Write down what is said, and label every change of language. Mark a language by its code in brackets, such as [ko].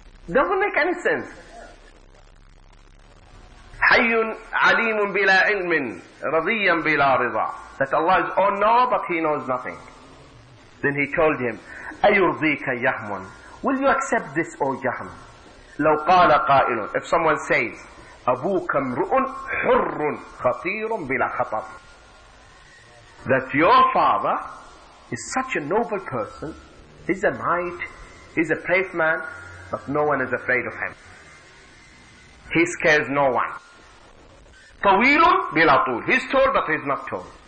[en] Doesn't make any sense. [ar] حَيٌّ عَلِيمٌ بِلَا عِلْمٍ رَضِيًّا بِلَا رِضَى. [en] That Allah is all know, but he knows nothing. Then he told him, [ar] أَيُرْضِيكَ يَحْمٌ. [en] Will you accept this, O Jahm? [ar] لَوْ قَالَ قَائِلٌ. [en] If someone says, [ar] أَبُوكَ مْرُؤٌ حُرٌّ خَطِيرٌ بِلَا خَطَرٌ. [en] That your father is such a noble person, he's a knight, he's a brave man, but no one is afraid of him. He scares no one. [ar] طَوِيلٌ بِلَا طُولٌ. [en] He's tall, but he's not tall.